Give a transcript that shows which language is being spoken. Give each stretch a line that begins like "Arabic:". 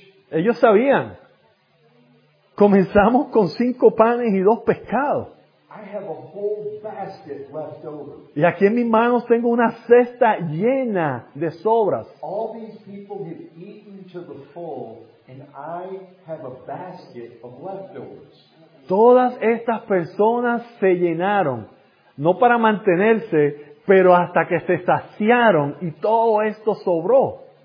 Spanish: Ellos sabían. Comenzamos con 5 panes y 2 pescados.
English: I have a whole basket left over.
Spanish: Y aquí en mis manos tengo una cesta llena de sobras.
English: All these people have eaten to the full and I have a basket of leftovers.
Spanish: Todas estas personas se llenaron, no para mantenerse, pero hasta que se saciaron y todo esto sobró.